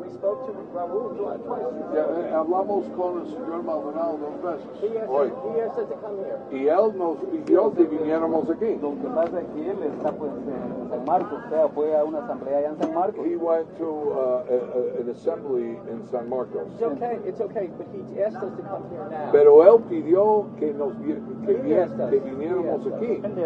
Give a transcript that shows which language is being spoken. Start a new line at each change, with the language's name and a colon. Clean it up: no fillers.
English: We spoke to Raul twice.
Spanish: Yeah, hablamos con el señor Maldonado dos veces.
English: He has said to come here.
Spanish: Y él nos pidió que viniéramos aquí. Lo que pasa es que él está pues en San Marcos, o sea, fue a una asamblea allá en San Marcos.
English: He went to an assembly in San Marcos. It's okay, but he asked us to come here now.
Spanish: Pero él pidió que nos que viniéramos aquí.